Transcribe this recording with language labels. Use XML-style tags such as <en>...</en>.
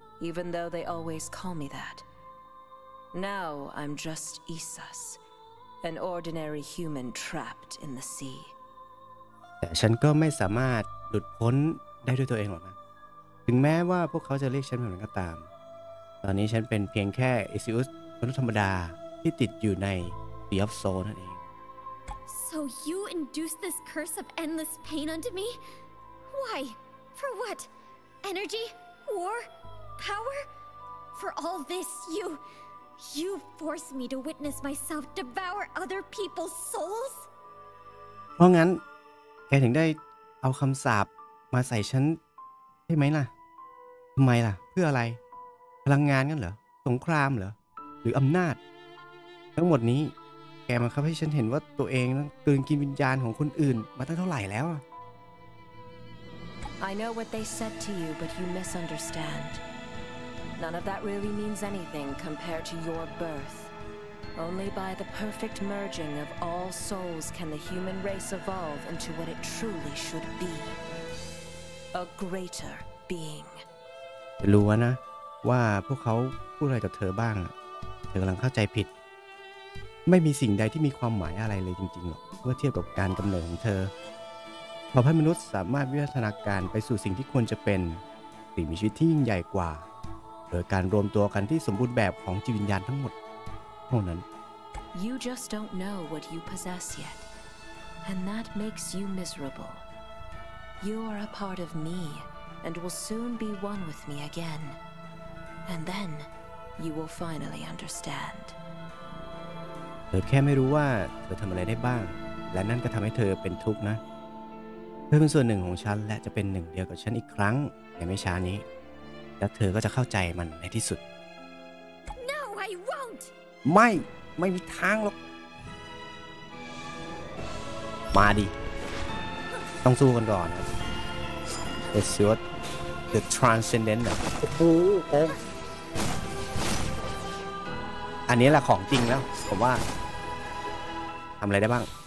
<en>Even though they always call me that. Now I'm just Isas, an ordinary human trapped in the sea.</en> <th>แต่ฉันก็ไม่สามารถหลุดพ้นได้ด้วยตัวเองหรอกนะถึงแม้ว่าพวกเขาจะเรียกฉันแบบนั้นก็ตามตอนนี้ฉันเป็นเพียงแค่อิซิอุสมนุษย์ธรรมดาที่ติดอยู่ใน Sea of Soul นั่นเอง</th> <en>So you induce this curse of endless pain onto me? Why? For what? Energy? War? Power? For all this, you force me to witness myself devour other people's souls?</en> <th>เพราะงั้นแกถึงได้เอาคำสาปมาใส่ฉันใช่ไหมล่ะทำไมล่ะเพื่ออะไรพลังงานกันเหรอสงครามเหรอหรืออำนาจทั้งหมดนี้แกมาครับให้ฉันเห็นว่าตัวเองต้องกลืนกินวิญญาณของคนอื่นมาตั้งเท่าไหร่แล้ว</th> <en>I know what they said to you, but you misunderstand. None of that really means anything compared to your birth. Only by the perfect merging of all souls can the human race evolve into what it truly should be. A greater being.</en> <th>รู้นะว่าพวกเขาพูดอะไรกับเธอบ้างเธอกำลังเข้าใจผิดไม่มีสิ่งใดที่มีความหมายอะไรเลยจริงๆหรอกเมื่อเทียบกับการกำเนิดของเธอเราให้มนุษย์สามารถวิวัฒนาการไปสู่สิ่งที่ควรจะเป็นสิ่งมีชีวิตที่ยิ่งใหญ่กว่าโดยการรวมตัวกันที่สมบูรณ์แบบของจิตวิญญาณทั้งหมดเท่านั้น</th> <en>You just don't know what you possess yet and that makes you miserable You are a part of me and will soon be one with me again and then you will finally understand</en> <th>เธอแค่ไม่รู้ว่าเธอทำอะไรได้บ้างและนั่นก็ทำให้เธอเป็นทุกข์นะเธอเป็นส่วนหนึ่งของฉันและจะเป็นหนึ่งเดียวกับฉันอีกครั้งในไม่ช้านี้และเธอก็จะเข้าใจมันในที่สุด</th> <en>No, I won't.</en> <th>ไม่มีทางหรอกมาดิต้องสู้กันก่อนนะ</th> <en>It's your the transcendent</en> <th>นะโอ้อันนี้แหละของจริงแล้วผมว่าทำอะไรได้บ้าง</th>